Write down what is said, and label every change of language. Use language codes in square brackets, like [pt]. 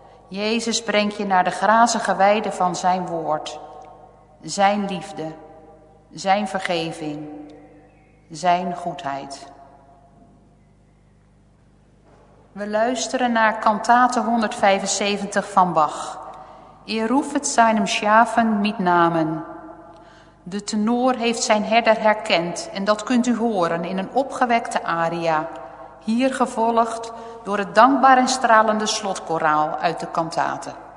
[nl] Jezus brengt je naar de grazige weide van zijn woord, zijn liefde, zijn vergeving, zijn goedheid. We luisteren naar Kantate 175 van Bach. [de] Ihr rufet seinem Schafen mit Namen. [nl] De tenor heeft zijn herder herkend en dat kunt u horen in een opgewekte aria. Hier gevolgd door het dankbaar en stralende slotkoraal uit de kantate.